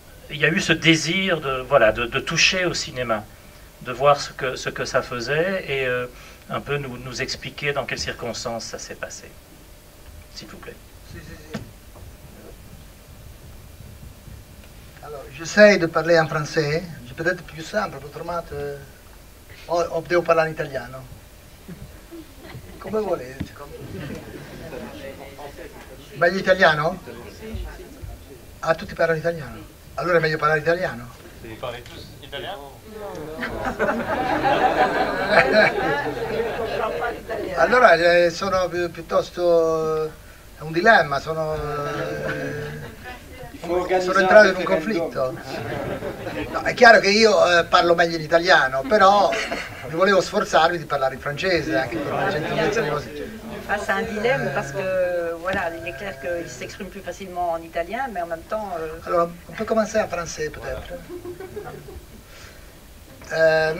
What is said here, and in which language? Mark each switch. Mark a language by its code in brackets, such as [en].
[fr] Il y a eu ce désir de toucher au cinéma, de voir ce que ça faisait et un peu nous expliquer dans quelles circonstances ça s'est passé. S'il vous plaît. Alors, j'essaie de parler en français. C'est peut-être plus simple, autrement... [it] O devo parlare in italiano? Come volete. Meglio italiano? Ah, tutti parlano italiano? Allora è meglio parlare italiano? Sì, parli tutti italiano? No. Allora sono piuttosto... È un dilemma, sono... Sono entrato in un conflitto. No, è chiaro che io parlo meglio in italiano, però mi volevo sforzarmi di parlare in francese, anche con la gentilezza di così. [fr] Ah, c'est un dilemme parce que voilà, il est clair qu'il s'exprime plus facilement en italien, mais en même temps. Alors, on peut commencer en français peut-être.